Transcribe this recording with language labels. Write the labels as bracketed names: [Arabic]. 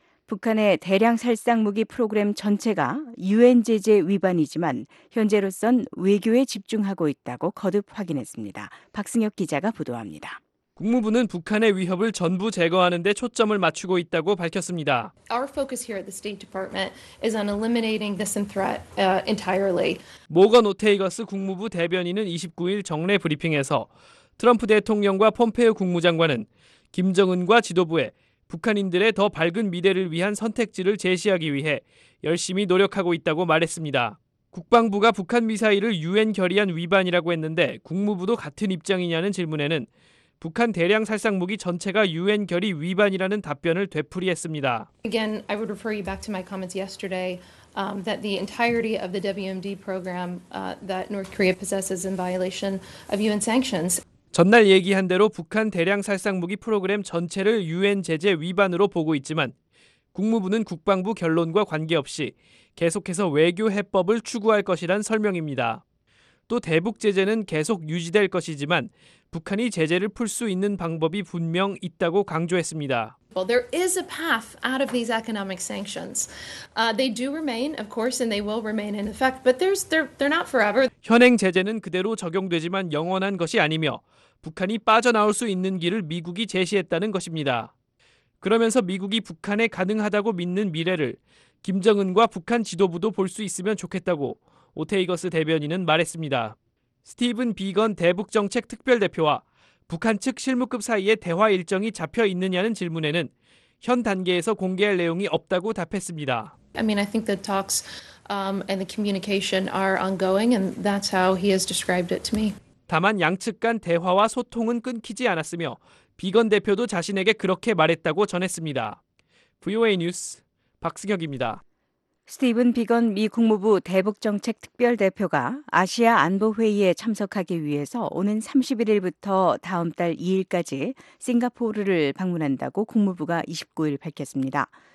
[Korean] 북한의 대량 살상무기 프로그램 전체가 유엔 제재 위반이지만 현재로선 외교에 집중하고 있다고 거듭 확인했습니다. 박승혁 기자가 보도합니다. 국무부는 북한의 위협을 전부 제거하는 데 초점을 맞추고 있다고 밝혔습니다. [English] Our focus here at the State Department is on eliminating this threat entirely. [Korean] 모건 오테이거스 국무부 대변인은 29일 정례 브리핑에서 트럼프 대통령과 폼페이오 국무장관은 김정은과 지도부에 북한인들의 더 밝은 미래를 위한 선택지를 제시하기 위해 열심히 노력하고 있다고 말했습니다. 국방부가 북한 미사일을 유엔 결의안 위반이라고 했는데 국무부도 같은 입장이냐는 질문에는 북한 대량 살상무기 전체가 유엔 결의 위반이라는 답변을 되풀이했습니다. [English] Again, I would refer you back to my comments yesterday that the entirety of the WMD program that North Korea possesses in violation of UN sanctions. [Korean] 전날 얘기한 대로 북한 대량 살상무기 프로그램 전체를 유엔 제재 위반으로 보고 있지만 국무부는 국방부 결론과 관계없이 계속해서 외교 해법을 추구할 것이란 설명입니다. 또 대북 제재는 계속 유지될 것이지만 북한이 제재를 풀 수 있는 방법이 분명 있다고 강조했습니다. [English] Well, there is a path out of these economic sanctions. They do remain, of course, and they will remain in effect. But they're not forever. [Korean] 현행 제재는 그대로 적용되지만 영원한 것이 아니며 북한이 빠져나올 수 있는 길을 미국이 제시했다는 것입니다. 그러면서 미국이 북한에 가능하다고 믿는 미래를 김정은과 북한 지도부도 볼 수 있으면 좋겠다고 오테이거스 대변인은 말했습니다. 스티븐 비건 대북정책특별대표와 북한 측 실무급 사이에 대화 일정이 잡혀 있느냐는 질문에는 현 단계에서 공개할 내용이 없다고 답했습니다. [English] I mean, I think the talks and the communication are ongoing, and that's how he has described it to me. [Korean] 다만 양측 간 대화와 소통은 끊기지 않았으며 비건 대표도 자신에게 그렇게 말했다고 전했습니다. VOA 뉴스 박승혁입니다. 스티븐 비건 미 국무부 대북정책특별대표가 아시아 안보회의에 참석하기 위해서 오는 31일부터 다음 달 2일까지 싱가포르를 방문한다고 국무부가 29일 밝혔습니다.